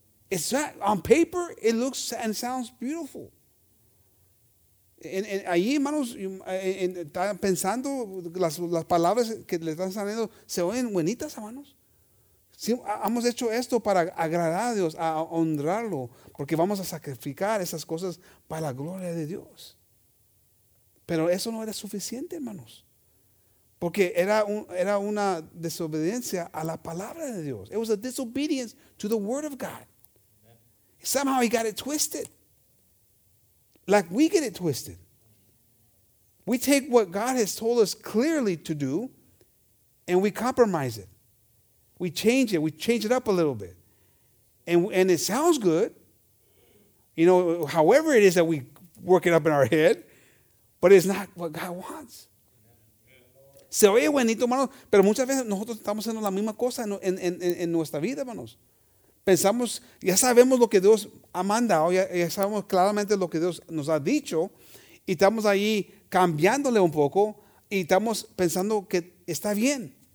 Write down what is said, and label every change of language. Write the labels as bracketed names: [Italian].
[English] It's not, on paper, it looks and sounds beautiful. [Spanish] En ahí, hermanos, están pensando las palabras que le están saliendo, se oyen buenitas, hermanos. Sí, hemos hecho esto para agradar a Dios, a honrarlo, porque vamos a sacrificar esas cosas para la gloria de Dios. Pero eso no era suficiente, hermanos. Porque era una desobediencia a la palabra de Dios. [English] It was a disobedience to the word of God. Somehow he got it twisted. Like we get it twisted. We take what God has told us clearly to do and we compromise it. We change it. We change it up a little bit. And it sounds good. You know, however it is that we work it up in our head, but it's not what God wants. [Spanish] Se oye buenito, hermanos, pero muchas veces nosotros estamos haciendo la misma cosa en nuestra vida, hermanos. Pensamos, ya sabemos lo que Dios ha mandado, ya sabemos claramente lo que Dios nos ha dicho, y estamos ahí cambiándole un poco, y estamos pensando que está bien.